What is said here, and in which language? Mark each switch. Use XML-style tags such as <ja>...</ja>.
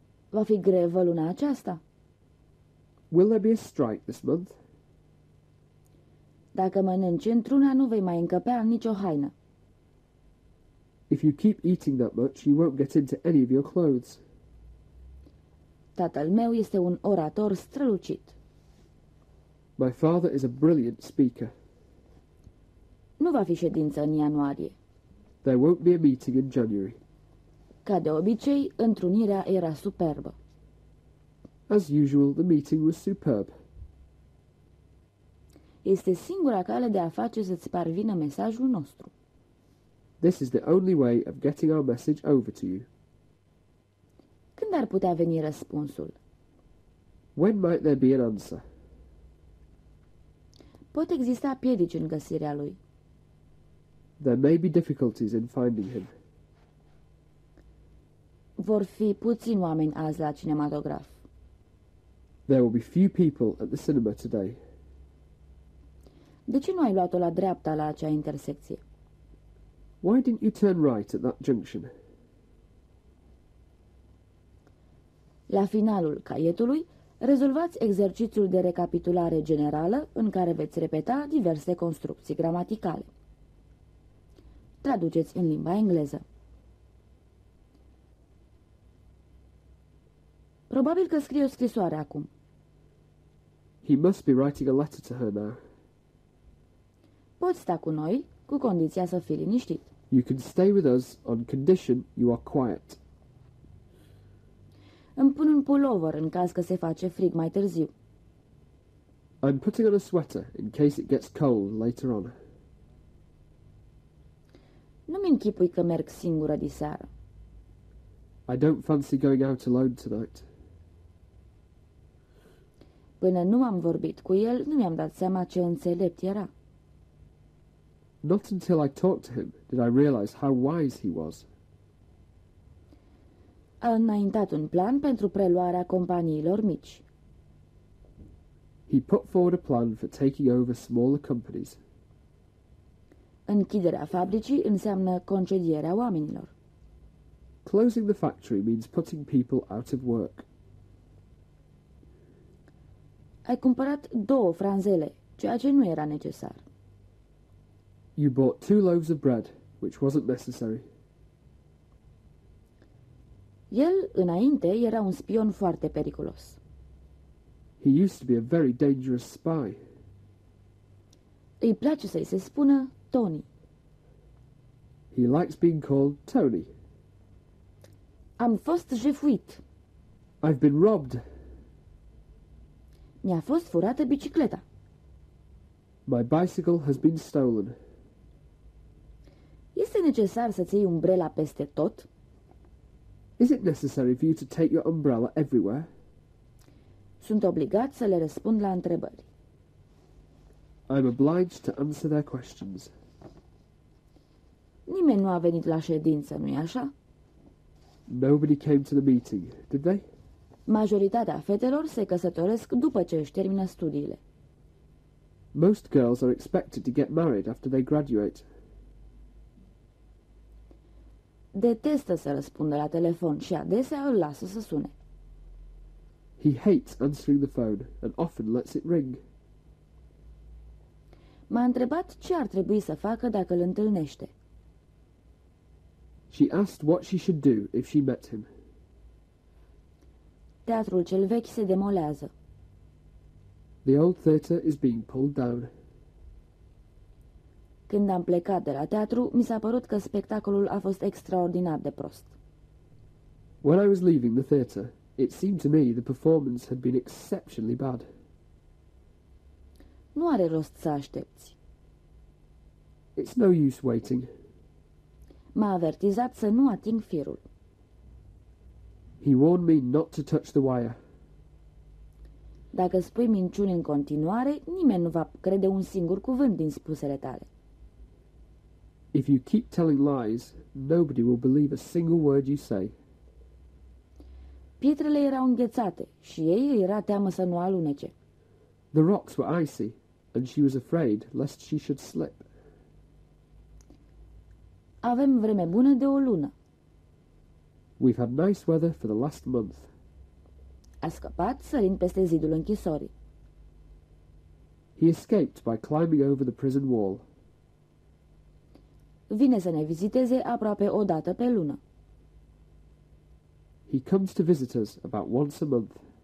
<ro>Va fi grevă luna aceasta?</ro> <en>Will there be a strike this month?</en> <ro>Dacă mănânci într-una, nu vei mai încăpea nicio haină.</ro> <en>If you keep eating that much, you won't get into any of your clothes.</en> <ro>Tatăl meu este un orator strălucit.</ro> <en>My father is a brilliant speaker.</en> <ro>Nu va fi ședință în ianuarie.</ro> <en>There won't be a meeting in January.</en> <ro>Ca de obicei, întrunirea era superbă.</ro> <en>As usual, the meeting was superb.</en> <ro>Este singura cale de a face să-ți parvină mesajul nostru.</ro> <en>This is the only way of getting our message over to you.</en> <ro>Când ar putea veni răspunsul?</ro> <en>When might there be an answer?</en> <ro>Pot exista piedici în găsirea lui.</ro> <en>There may be difficulties in finding him.</en> <ro>Vor fi puțini oameni azi la cinematograf.</ro> <en>There will be few people at the cinema today.</en> <ro>De ce nu ai luat-o la dreapta la acea intersecție?</ro> <en>Why didn't you turn right at that junction?</en> <ro>La finalul caietului, rezolvați exercițiul de recapitulare generală în care veți repeta diverse construcții gramaticale. Traduceți în limba engleză. Probabil că scrie o scrisoare acum.</ro> <en>He must be writing a letter to her now.</en> <ro>Poți sta cu noi, cu condiția să fii liniștit.</ro> <en>You can stay with us on condition you are quiet.</en> <ro>Îmi pun un pulover în caz că se face frig mai târziu.</ro> <en>I'm putting on a sweater in case it gets cold later on.</en> <ro>Nu-mi închipui că merg singură diseară.</ro> <en>I don't fancy going out alone tonight.</en> <ro>Până nu am vorbit cu el, nu mi-am dat seama ce înțelept era.</ro> <en>Not until I talked to him did I realize how wise he was.</en> <ro>A înaintat un plan pentru preluarea companiilor mici.</ro> <en>He put forward a plan for taking over smaller companies.</en> <ro>Închiderea fabricii înseamnă concedierea oamenilor.</ro> <en>Closing the factory means putting people out of work.</en> <ro>Ai cumpărat două franzele, ceea ce nu era necesar.</ro> <en>You bought two loaves of bread, which wasn't necessary.</en> <ro>El, înainte, era un spion foarte periculos.</ro> <en>He used to be a very dangerous spy.</en> <ro>Îi place să-i se spună Tony.</ro> <en>He likes being called Tony.</en> <ro>Am fost jefuit.</ro> <en>I've been robbed.</en> <ro>Mi-a fost furată bicicleta.</ro> <en>My bicycle has been stolen.</en> <ro>Este necesar să-ți iei umbrela peste tot?</ro> <en>Is it necessary for you to take your umbrella everywhere?</en> <ro>Sunt obligat să le răspund la întrebări.</ro> <en>I'm obliged to answer their questions.</en> <ro>Nimeni nu a venit la ședință, nu-i așa?</ro> <en>Nobody came to the meeting, did they?</en> <ro>Majoritatea fetelor se căsătoresc după ce își termină studiile.</ro> <en>Most girls are expected to get married after they graduate.</en> <ro>Detestă să răspundă la telefon și adesea îl lasă să sune.</ro> <en>He hates answering the phone and often lets it ring.</en> <ro>M-a întrebat ce ar trebui să facă dacă îl întâlnește.</ro> <en>She asked what she should do if she met him.</en> <ro>Teatrul cel vechi se demolează.</ro> <en>The old theatre is being pulled down.</en> <ro>Când am plecat de la teatru, mi s-a părut că spectacolul a fost extraordinar de prost.</ro> <en>When I was leaving the theatre, it seemed to me the performance had been exceptionally bad.</en> <ro>Nu are rost să aștepți.</ro> <en>It's no use waiting.</en> <ro>M-a avertizat să nu ating firul.</ro> <en>He warned me not to touch the wire.</en> <ro>Dacă spui minciuni în continuare, nimeni nu va crede un singur cuvânt din spusele tale.</ro> <en>If you keep telling lies, nobody will believe a single word you say.</en> <ro>Pietrele erau înghețate și ei era teamă să nu alunece.</ro> <en>The rocks were icy and she was afraid lest she should slip.</en> <ro>Avem vreme bună de o lună.</ro> <en>We've had nice weather for the last month.</en> <ro>A scăpat sărind peste zidul închisorii.</ro> <en>He escaped by climbing over the prison wall.</en> <ro>Vine să ne viziteze aproape o dată pe lună.</ro> <en>He comes to visit us about once a month.</en>